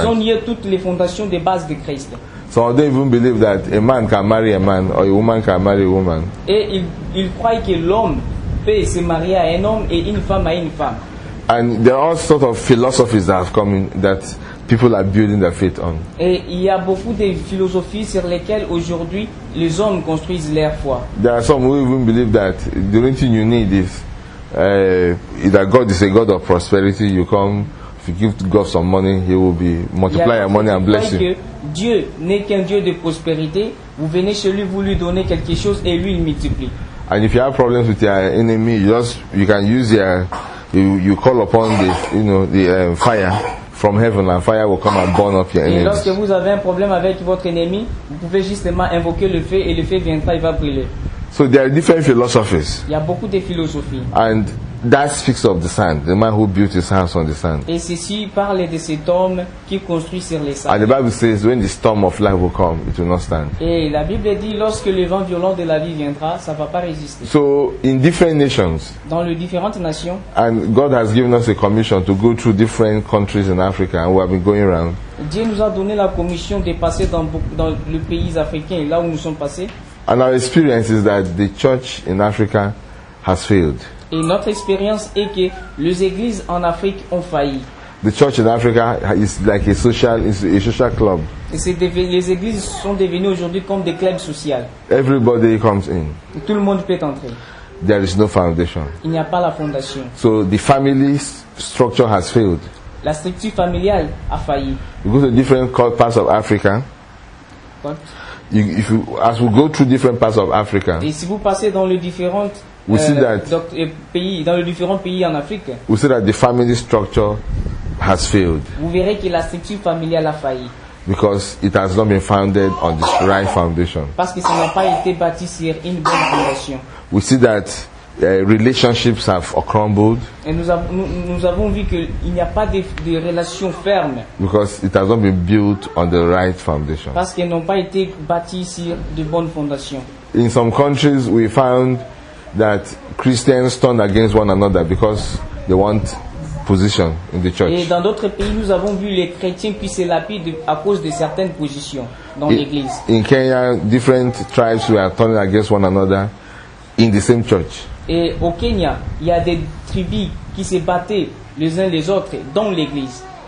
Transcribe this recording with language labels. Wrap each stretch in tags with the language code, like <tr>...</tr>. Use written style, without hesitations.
<fr>Ils ont nié toutes les fondations de base de Christ.</fr> <en>So they don't even believe that a man can marry a man or a woman can marry a woman.</en> <fr>Et ils croient que l'homme peut se marier à un homme et une femme à une femme.</fr> <en>And there are all sort of philosophies that have come in that people are building their faith on.</en> <fr>Et il y a beaucoup de philosophies sur lesquelles aujourd'hui les hommes construisent leur foi.</fr> <en>There are some who even believe that the only thing you need is that God is a God of prosperity. You come. If you give God some money, He will be multiply your money and bless you.</en> <fr>Dieu n'est qu'un Dieu de prospérité. Vous venez chez lui, vous lui donnez quelque chose et lui il multiplie.</fr> <en>And if you have problems with your enemy, you call upon the fire from heaven and fire will come and burn up your enemy.</en> <fr>Et lorsque vous avez un problème avec votre ennemi, vous pouvez justement invoquer le feu et le feu viendra et va brûler.</fr> <en>So there are different philosophies.</en> <fr>Il y a beaucoup de philosophies.</fr> <en>And that speaks of the sand, the man who built his house on the sand.</en> <fr>Et ceci parle de cet homme qui construit sur les sables.</fr> <en>And the Bible says, when the storm of life will come, it will not stand.</en> <fr>Et la Bible dit, lorsque le vent violent de la vie viendra, ça va pas résister.</fr> <en>So in different nations.</en> <fr>Dans les différentes nations.</fr> <en>And God has given us a commission to go through different countries in Africa, and we have been going around.</en> <fr>Dieu nous a donné la commission de passer dans le pays africain, là où nous sommes passés.</fr> <en>And our experience is that the church in Africa has failed.</en> <fr>Et notre expérience est que les églises en Afrique ont failli.</fr> <en>The church in Africa is like a social club.</en> <fr>Et les églises sont devenues aujourd'hui comme des clubs sociaux.</fr> <en>Everybody comes in.</en> <fr>Et tout le monde peut entrer.</fr> <en>There is no foundation.</en> <fr>Il n'y a pas la fondation.</fr> <en>So the family structure has failed.</en> <fr>La structure familiale a failli.</fr> <en>You go to different parts of Africa. What? As we go through different parts of Africa.</en> <fr>Et si vous passez dans les différentes pays en Afrique.</fr> <en>We see that the family structure has failed.</en> <fr>Vous verrez que la structure familiale a failli.</fr> <en>Because it has not been founded on the right foundation.</en> <fr>Parce que ça n'a pas été bâti sur une bonne fondation.</fr> <en>We see that Relationships have crumbled.</en> <fr>Et nous avons vu que il n'y a pas de relations fermes.</fr> <en>Because it has not been built on the right foundation.</en> <fr>Parce qu'elles n'ont pas été bâties sur de bonnes fondations.</fr> <en>In some countries, we found that Christians turn against one another because they want position in the church.</en> <fr>Et dans d'autres pays, nous avons vu les chrétiens qui se lapident à cause de certaines positions dans l'église.</fr> <en>In Kenya, different tribes were turning against one another in the same church.</en> <fr>Et au Kenya, il y a des tribus qui se battaient les uns les autres dans l'église.</fr>